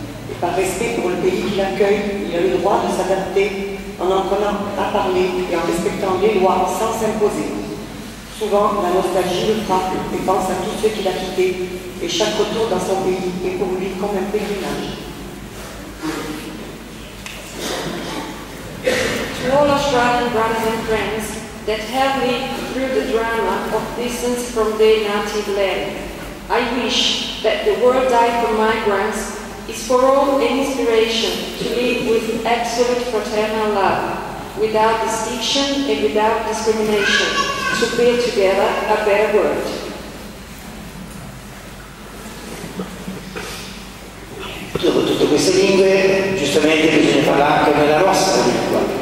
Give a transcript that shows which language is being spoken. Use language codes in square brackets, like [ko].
[fr] Et par respect pour le pays qui l'accueille, il a le droit de s'adapter en apprenant à parler et en respectant les lois sans s'imposer. Souvent, la nostalgie le frappe et pense à tous ceux qu'il a quittés et chaque retour dans son pays est pour lui comme un pèlerinage. [en] To all Australian brothers and friends that have lived through the drama of distance from their native land, I wish that the World Diet for Migrants is for all an inspiration to live with absolute fraternal love, without distinction and without discrimination, to build together a better world. [it] Dopo tutte queste lingue, giustamente bisogna parlare anche nella nostra lingua.